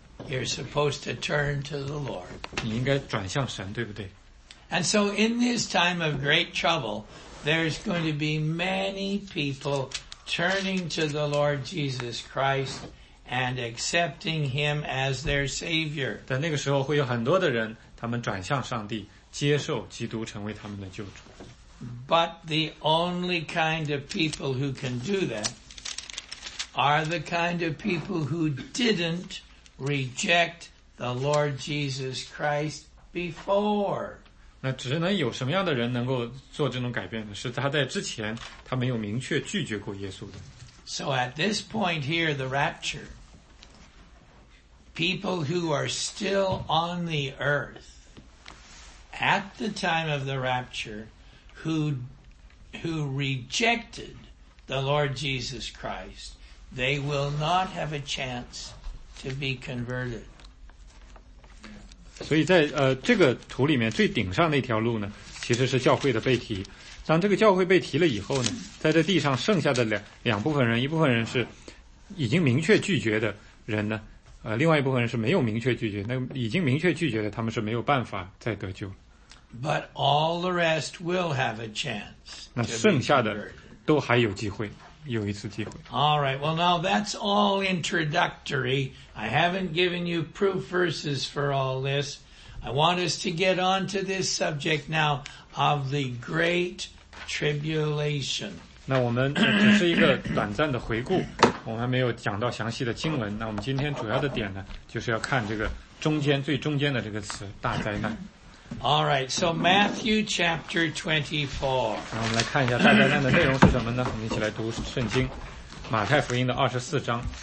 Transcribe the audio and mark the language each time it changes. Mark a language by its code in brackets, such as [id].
[en] You're supposed to turn to the Lord. [zh] 你应该转向神，对不对？ [en] And so in this time of great trouble,There's going to be many people turning to the Lord Jesus Christ and accepting Him as their Savior. [zh] 在那个时候会有很多的人，他们转向上帝，接受基督成为他们的救主。 [en] But the only kind of people who can do that are the kind of people who didn't reject the Lord Jesus Christ before. [zh] 那只能有什么样的人能够做这种改变呢？是他在之前他没有明确拒绝过耶稣的。 [en] So at this point here, the rapture, people who are still on the earth at the time of the rapture, who rejected the Lord Jesus Christ, they will not have a chance to be converted. [zh] 所以在这个图里面最顶上那条路呢，其实是教会的被提。当这个教会被提了以后呢，在这地上剩下的两部分人，一部分人是已经明确拒绝的人呢，另外一部分人是没有明确拒绝。那已经明确拒绝的，他们是没有办法再得救。 [en] But all the rest will have a chance. [zh] 那剩下的都还有机会。有一次机会。 [en] All right. Well, now that's all introductory. I haven't given you proof verses for all this. I want us to get on to this subject now of the great tribulation. [zh] 那我们只是一个短暂的回顾，我们还没有讲到详细的经文。那我们今天主要的点呢，就是要看这个中间最中间的这个词——大灾难。 [en] All right, so Matthew chapter 24. [zh] 那我们来看一下大灾难的内容是什么呢？我们一起来读圣经，马太福音的二十四章。